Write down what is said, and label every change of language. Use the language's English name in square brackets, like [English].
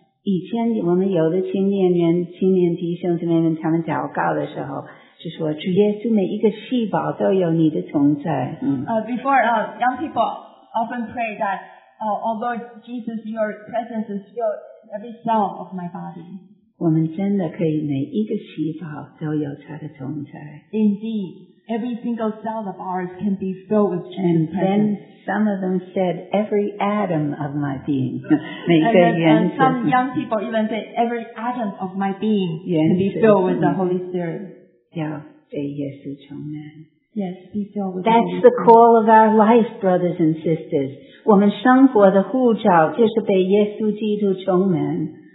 [Chinese] 以前我们有的青年人、青年弟兄姊妹们他们祷告的时候，就说主耶稣每一个细胞都有你的同在。 [English] Before, young people often pray that, although Jesus, your presence is filled every cell of my body. [Chinese] 我们真的可以每一个细胞都有它的同在。 [English] Indeed, every single cell of ours can be filled with Jesus. And then some of them said, every atom of my being. [Chinese] 每个原子。 [English] And some young people even said, every atom of my being can be filled with the Holy Spirit. [Chinese] 要被耶稣充满。 [English] Yes, be filled with the Holy Spirit. That's the call of our life, brothers and sisters. [Chinese] 我们生活的护照就是被耶稣基督充满。